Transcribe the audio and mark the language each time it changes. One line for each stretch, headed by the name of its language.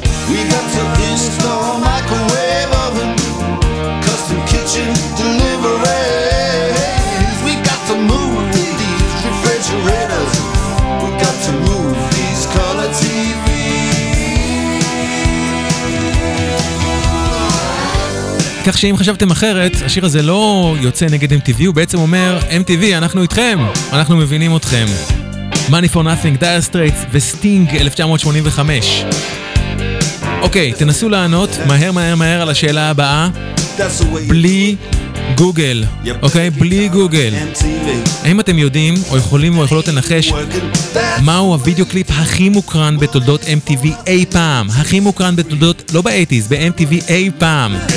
English: We got to install microwave oven, custom kitchen deliveries. We got to move these refrigerators. We got to move these color TVs.
Hebrew: כך שאם חשבתם אחרת, השיר הזה לא יוצא נגד MTV, הוא בעצם אומר, MTV, אנחנו איתכם, אנחנו מבינים אתכם. Money for Nothing, Dire Straits וסטינג 1985. אוקיי, תנסו לענות מהר מהר מהר על השאלה הבאה, בלי גוגל, אוקיי? בלי גוגל. האם אתם יודעים או יכולים או יכולות לנחש מהו הוידאו קליפ הכי מוקרן בתולדות MTV אי פעם? הכי מוקרן בתולדות, לא ב-80s, ב-MTV אי פעם.